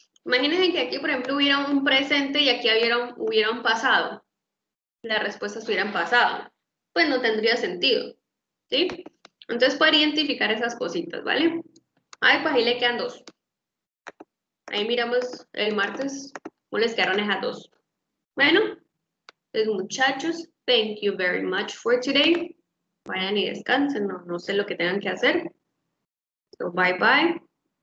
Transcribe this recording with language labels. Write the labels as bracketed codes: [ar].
[es] Imagínense que aquí, por ejemplo, hubiera un presente y aquí hubiera un pasado. Las respuestas hubieran pasado. Pues no tendría sentido, ¿sí? Entonces, para identificar esas cositas, ¿vale? Ay, pues ahí le quedan dos. Ahí miramos el martes, ¿cómo les quedaron esas dos? Bueno, pues muchachos, [en] thank you very much for today. [es] Vayan y descansen, no sé lo que tengan que hacer. [en] So, bye bye.